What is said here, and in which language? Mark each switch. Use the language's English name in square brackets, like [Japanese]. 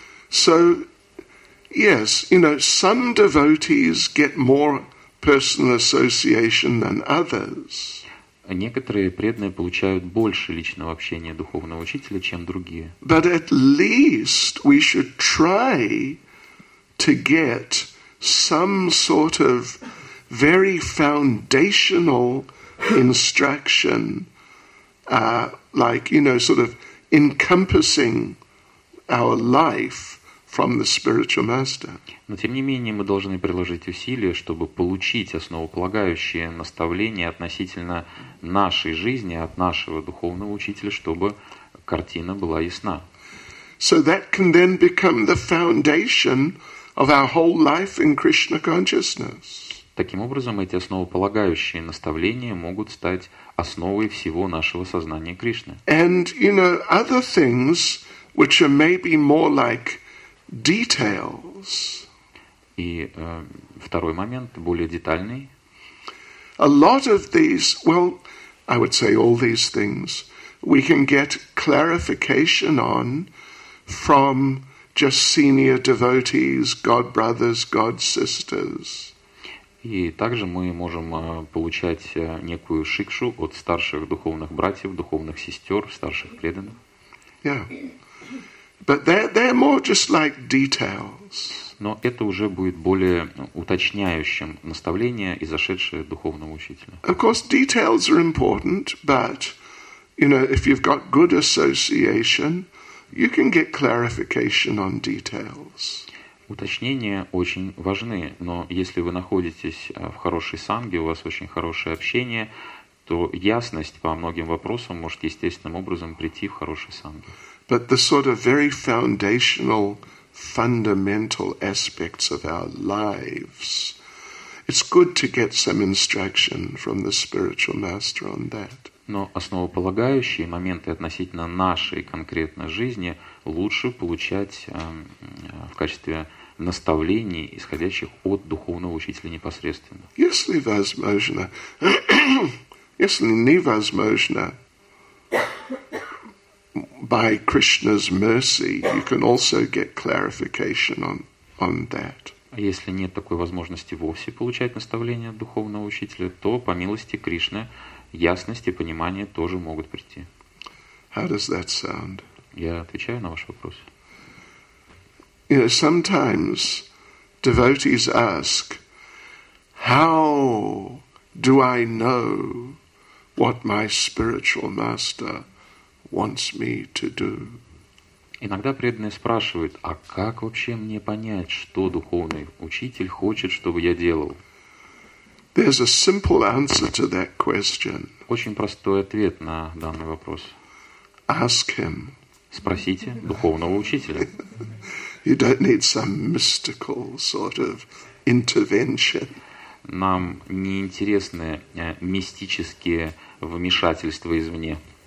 [English] So, yes, you know, some devotees get more personal association than others. [Russian] Некоторые преданные получают больше личного общения духовного учителя, чем другие. [English] But at least we should try to get some sort of very foundational instruction, like, you know, sort of encompassing our life from the spiritual master. [Russian] Но тем не менее мы должны приложить усилия, чтобы получить основополагающее наставление относительно нашей жизни от нашего духовного учителя, чтобы картина была ясна. [English] So that can then become the foundation of our whole life in Krishna consciousness. [Russian] Таким образом, эти основополагающие наставления могут стать основой всего нашего сознания Кришны. [English] And you know other things which are maybe more like details. [Russian] И второй момент, более детальный. [English] A lot of these, well, I would say all these things, we can get clarification on from just senior devotees, God brothers, God sisters. [Russian] И также мы можем получать некую шикшу от старших духовных братьев, духовных сестер, старших преданных. [English] Yeah. But they're more just like details. [Russian] Но это уже будет более уточняющим наставление, изошедшее духовного учителя. [English] Of course, details are important, but you know, if you've got good association, you can get clarification on details. [Russian] Уточнения очень важны, но если вы находитесь в хорошей санге, у вас очень хорошее общение, то ясность по многим вопросам может естественным образом прийти в хорошей санге. [English] But the sort of very foundational, fundamental aspects of our lives, it's good to get some instruction from the spiritual master on that. [Russian] Но основополагающие моменты относительно нашей конкретной жизни лучше получать в качестве наставлений, исходящих от духовного учителя непосредственно. Если возможно, если невозможно, [English] by Krishna's mercy, you can also get clarification on that. [Russian] Если нет такой возможности вовсе получать наставление от духовного учителя, то по милости Кришны ясность и понимание тоже могут прийти. [English] How does that sound? [Russian] Я отвечаю на ваш вопрос. [English] You know, sometimes devotees ask, how do I know what my spiritual master wants me to do? [Russian] Иногда преданные спрашивают, а как вообще мне понять, что духовный учитель хочет, чтобы я делал? [English] There's a simple answer to that question. [Russian] Очень простой ответ на данный вопрос. [English] Ask him. [Russian] Спросите духовного учителя. [English] You don't need some mystical sort of intervention. [Russian] Нам не интересны мистические вмешательства извне.